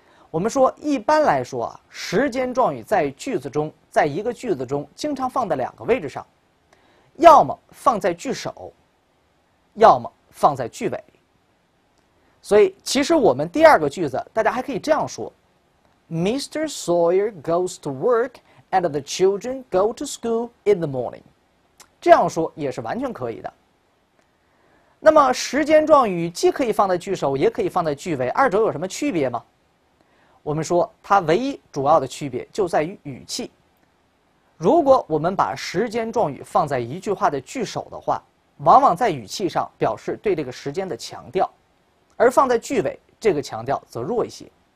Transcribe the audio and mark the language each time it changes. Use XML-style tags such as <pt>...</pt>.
<zh>我们说一般来说啊，时间状语在句子中，在一个句子中经常放在两个位置上，要么放在句首，要么放在句尾。所以其实我们第二个句子大家还可以这样说， Mr.</zh> <en>Sawyer goes to work and the children go to school in the morning，</en> <zh>这样说也是完全可以的。那么时间状语既可以放在句首，也可以放在句尾，二者有什么区别吗？我们说它唯一主要的区别就在于语气。如果我们把时间状语放在一句话的句首的话，往往在语气上表示对这个时间的强调，而放在句尾，这个强调则弱一些。</zh>